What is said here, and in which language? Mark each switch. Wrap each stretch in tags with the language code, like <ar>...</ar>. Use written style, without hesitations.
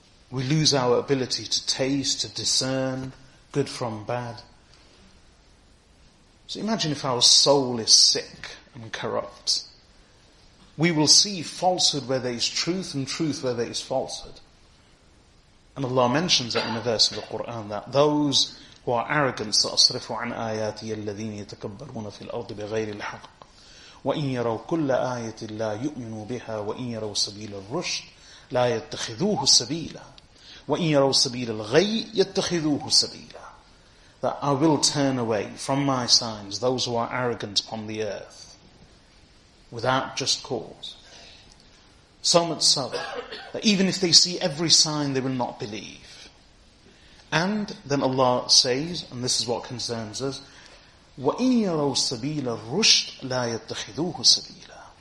<en>We lose our ability to taste, to discern good from bad. So imagine if our soul is sick and corrupt. We will see falsehood where there is truth and truth where there is falsehood. And Allah mentions that in a verse of the Quran, that those who are arrogant,</en> <ar>سَأَصْرِفُ عَنْ آيَاتِيَ الَّذِينِ يَتَكَبَّرُونَ فِي الْأَرْضِ بِغَيْرِ الْحَقِّ وَإِنْ يَرَوْ كُلَّ آيَةٍ لَا يُؤْمِنُوا بِهَا وَإِنْ يَرَوْ سَبِيلَ الرُّشْدِ لَا يَتَّخِذُوهُ سَبِيلًا وَإِنْ يَرَوْ سَبِيلَ الْغَيِّ يَتَّخِذُوهُ سَبِيلًا.</ar> <en>That I will turn away from my signs those who are arrogant upon the earth without just cause. So much so that even if they see every sign, they will not believe. And then Allah says, and this is what concerns us,</en> <ar>وَإِنْ يَرَوْا سَبِيلَ الرُّشْدْ لَا يَتَّخِذُوهُ سَبِيلًا.</ar>